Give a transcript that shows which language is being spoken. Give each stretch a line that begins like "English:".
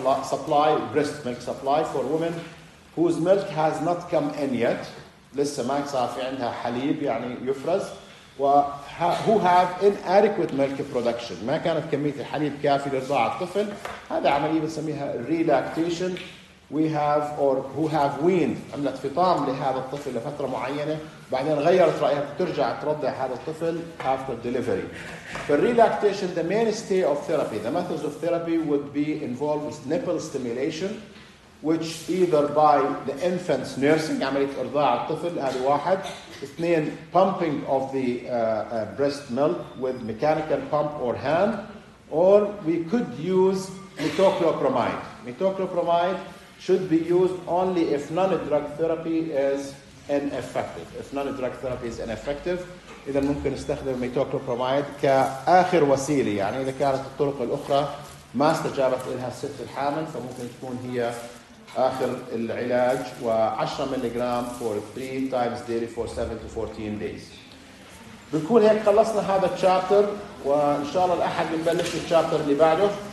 English: supply breast milk supply for women whose milk has not come in yet
Arabic: لسه ما صار في عندها حليب يعني يفرز
English: و who have inadequate milk production
Arabic: ما كانت كمية الحليب كافية لرضاعة الطفل هذا عملية بنسميها
English: relactation we have or who have weaned.
Arabic: عملت فطام لهذا الطفل لفترة معينة بعدين غيرت رأيها بترجع ترضع هذا الطفل
English: after delivery. For relactation, the mainstay of therapy, the methods of therapy would be involved nipple stimulation, which either by the infant's nursing,
Arabic: عملية إرضاع الطفل هذا واحد. اثنين,
English: pumping of the breast milk with mechanical pump or hand. Or we could use metoclopramide. Metoclopramide should be used only if non-drug therapy is ineffective. If non-drug therapy is ineffective,
Arabic: إذا ممكن نستخدم
English: metoclopramide
Arabic: كآخر وسيلة. يعني إذا كانت الطرق الأخرى ما استجابت إلها الست الحامل فممكن تكون هي آخر العلاج و10 ملغرام
English: for 3 times daily for 7 to 14 days.
Arabic: بكون هيك خلصنا هذا الشابتر وإن شاء الله الأحد بنبلش الشابتر اللي بعده.